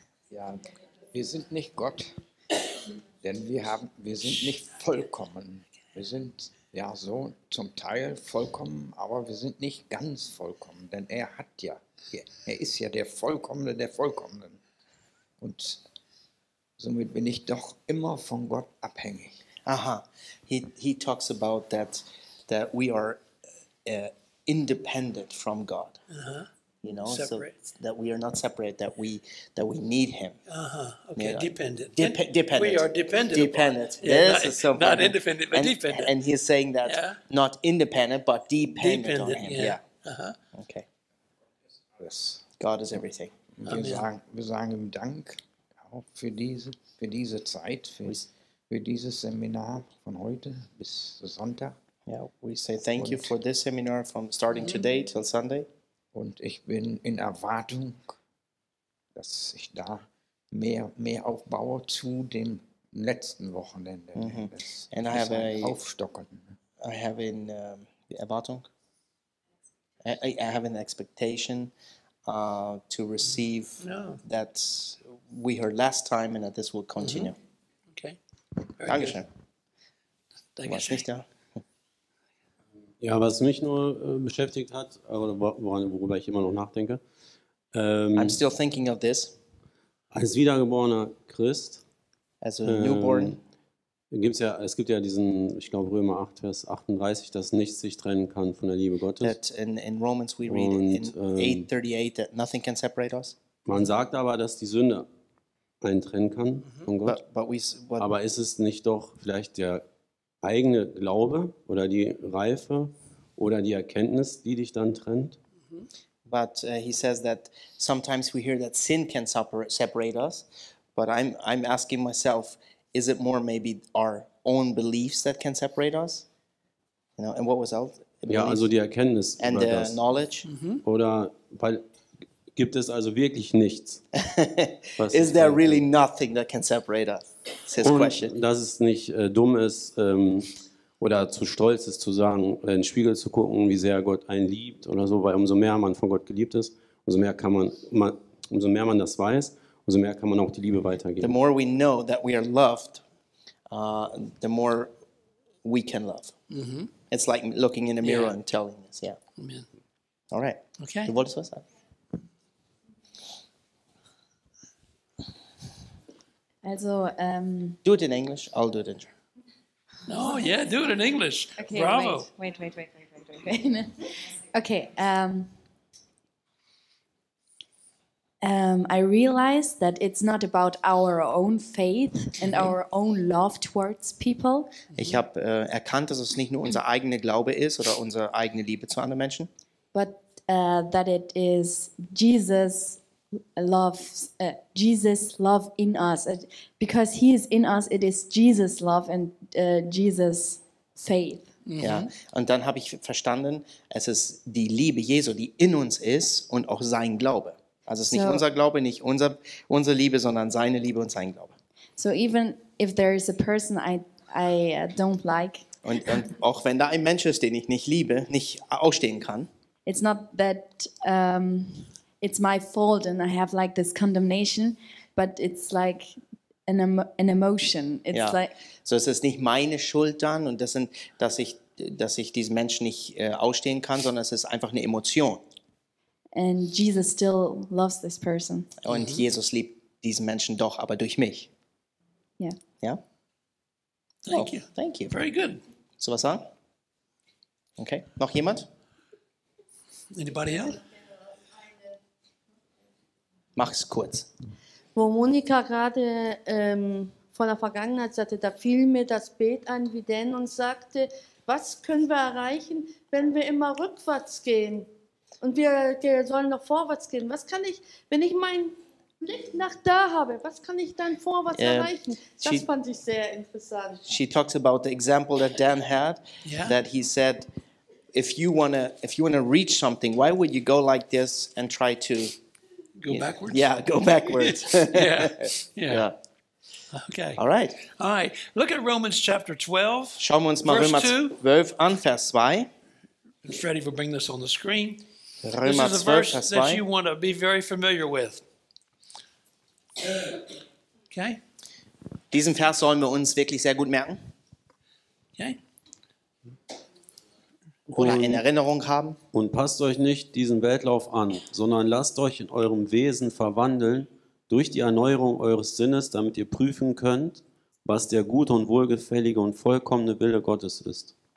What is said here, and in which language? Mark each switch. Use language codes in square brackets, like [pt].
[de] Ja, wir sind nicht Gott, denn wir sind nicht vollkommen. Wir sind ja, so zum Teil vollkommen, aber wir sind nicht ganz vollkommen, denn er hat ja, er ist ja der Vollkommene der Vollkommenen. Und somit bin ich doch immer von Gott abhängig. [en] Aha, he talks about that we are independent from God. Uh-huh. You know, separate. So that we are not separate, that we need him. Uh-huh. Okay, dependent. Dependent. We are dependent. Dependent. Yeah, this is so funny. Not independent, but dependent. And he's saying that not independent, but dependent on him. Yeah. Uh-huh. Okay. Yes. God is everything. Amen. [de] Wir sagen Dank auch für diese Zeit, für dieses Seminar von heute bis Sonntag. [en] Yeah, we say thank you for this seminar from starting today till Sunday. [de] Und ich bin in Erwartung, dass ich da mehr aufbaue zu dem letzten Wochenende. [en] Mm-hmm. And I have a [de] aufstocken. [en] I have in Erwartung. I have an expectation to receive that we heard last time and that this will continue. Mm-hmm. Okay. [de] Dankeschön. Dankeschön. Ja, was mich nur beschäftigt hat, oder worüber ich immer noch nachdenke. [en] I'm still thinking of this. [de] Als wiedergeborener Christ. [en] As a newborn. [de] Es gibt ja diesen, ich glaube Römer 8, Vers 38, dass nichts sich trennen kann von der Liebe Gottes. [en] That in Romans we read [de] und, [en] in 8:38 that nothing can separate us. [de] Man sagt aber, dass die Sünde einen trennen kann von Gott. [en] But [de] aber ist es nicht doch vielleicht der eigene Glaube oder die Reife oder die Erkenntnis, die dich dann trennt. [en] But he says that sometimes we hear that sin can separate us, but I'm asking myself, is it more maybe our own beliefs that can separate us? You know, and what was else? [de] Ja, also die Erkenntnis [en] and [de] über [en] the [de] das. [en] Knowledge. [de] Oder weil gibt es also wirklich nichts? [en] Is there really nothing that can separate us? Says und question. [de] Dass es nicht dumm ist oder zu stolz ist zu sagen, in den Spiegel zu gucken, wie sehr Gott einen liebt oder so, weil umso mehr man von Gott geliebt ist, umso mehr man das weiß, umso mehr kann man auch die Liebe weitergeben. [en] The more we know that we are loved, the more we can love. Mm-hmm. It's like looking in a mirror and telling us, yeah. Amen. All right. Okay. [de] Du wolltest was sagen? Also, [en] do it in English, I'll do it in German. No, yeah, do it in English. Okay, bravo. Wait. Okay. I realize that it's not about our own faith and our own love towards people. [de] Ich habe erkannt, dass es nicht nur unser eigener Glaube ist oder unsere eigene Liebe zu anderen Menschen. [en] But that it is Jesus. Love, Jesus love in us, because he is in us, it is Jesus love and Jesus faith. Mm-hmm. [de] Ja, und dann habe ich verstanden, es ist die Liebe Jesu, die in uns ist und auch sein Glaube. Also es ist nicht unser Glaube, nicht unsere Liebe, sondern seine Liebe und sein Glaube. [en] So even if there is a person I don't like. [de] Und auch wenn da ein Mensch ist, den ich nicht liebe, nicht ausstehen kann. [en] It's not that... it's my fault and I have like this condemnation, but it's like an emotion. It's [de] So es ist nicht meine Schuld dann und das sind, dass ich diesen Menschen nicht ausstehen kann, sondern es ist einfach eine Emotion. [en] And Jesus still loves this person. [de] Und Jesus liebt diesen Menschen doch, aber durch mich. [en] Yeah. [de] Ja. [en] Thank you. Very good. [de] So was sagen? Okay. Noch jemand? [en] Anybody else? [de] Mach es kurz. Wo Monika gerade von der Vergangenheit sagte, da fiel mir das Bet an wie Dan und sagte, was können wir erreichen, wenn wir immer rückwärts gehen? Und wir sollen noch vorwärts gehen. Was kann ich, wenn ich meinen Blick nach da habe, was kann ich dann vorwärts erreichen? Das fand ich sehr interessant. [en] She talks about the example that Dan had, that he said, if you wanna reach something, why would you go like this and try to... Go backwards? Yeah, go backwards. Yeah. Okay. All right. All right. Look at Romans chapter 12. [de] Schauen wir uns mal Römer 12 an, Vers 2. [en] Freddie will bring this on the screen. [de] Römer [en] this is a verse that you want to be very familiar with. Okay. [de] Diesen Vers sollen wir uns wirklich sehr gut merken. [en] Okay. [de] Oder in Erinnerung haben. Und passt euch nicht diesen Weltlauf an, sondern lasst euch in eurem Wesen verwandeln durch die Erneuerung eures Sinnes, damit ihr prüfen könnt, was der gute und wohlgefällige und vollkommene Wille Gottes ist.